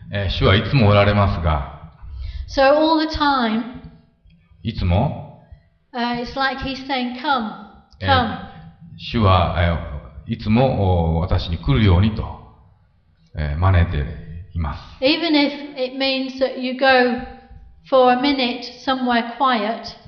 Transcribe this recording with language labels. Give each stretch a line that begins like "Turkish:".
Japanese: 主はいつもおられますが、
English: So all the time,
Japanese: いつも、
English: It's like he's saying, come, come.
Japanese: 主は、いつも私に来るようにと、招いています。
English: Even if it means that you go for a minute somewhere quiet,